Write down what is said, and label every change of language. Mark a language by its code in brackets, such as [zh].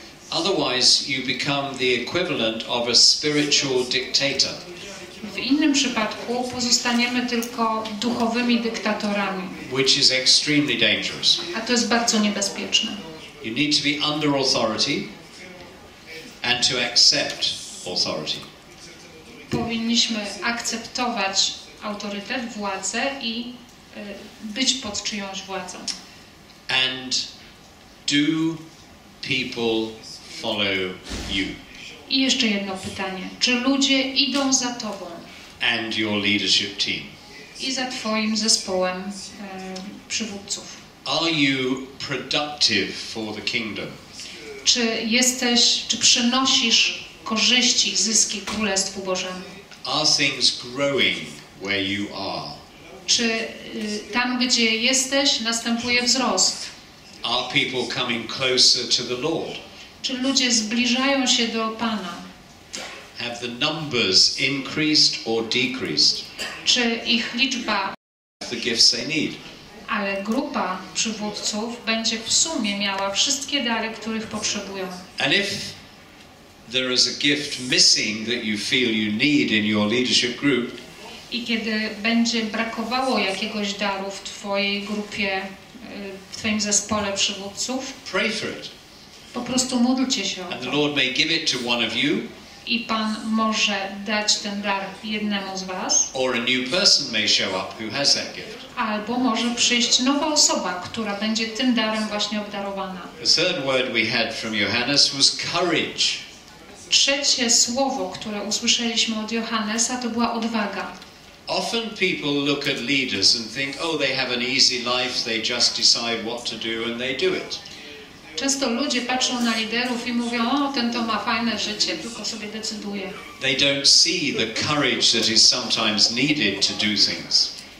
[en] Otherwise you become the equivalent of a spiritual dictator. [pl] W innym przypadku pozostaniemy tylko duchowymi dyktatorami. [en] Which is extremely dangerous. [pl] A to jest bardzo niebezpieczne. [en] You need to be under authority and to accept authority. [pl] Powinniśmy akceptować autorytet, władzę i być pod czyjąś władzą. [en] And do people follow you? [pl] I jeszcze jedno pytanie. Czy ludzie idą za tobą? [en] And your leadership team. [pl] I za twoim zespołem przywódców. [en] Are you productive for the kingdom? [pl] Czy jesteś, czy przynosisz korzyści, zyski Królestwu Bożemu? [en] Are things growing where you are? [pl] Czy tam, gdzie jesteś, następuje wzrost? [en] Are people coming closer to the Lord? [pl] Czy ludzie zbliżają się do Pana? [en] Have the numbers increased or decreased? [pl] Czy ich liczba, [en] the gifts they need? [pl] Ale grupa przywódców będzie w sumie miała wszystkie dary, których potrzebują. [en] And if there is a gift missing that you feel you need in your leadership group, [pl] i kiedy będzie brakowało jakiegoś daru w twojej grupie, w twoim zespole przywódców, [en] pray for it. [pl] Po prostu módlcie się o to. [en] And the Lord may give it to one of you. [pl] i Pan może dać ten dar jednemu z was. [en] Or a new person may show up who has that gift. [pl] Albo może przyjść nowa osoba, która będzie tym darem właśnie obdarowana. [en] The third word we had from Johannes was courage. [pl] Trzecie słowo, które usłyszeliśmy od Johannesa, to była odwaga. [en] Often people look at leaders and think, oh, they have an easy life, they just decide what to do and they do it. [pl] Często ludzie patrzą na liderów i mówią, o, ten to ma fajne życie, tylko sobie decyduje. [en] They don't see the courage that is sometimes needed to do things.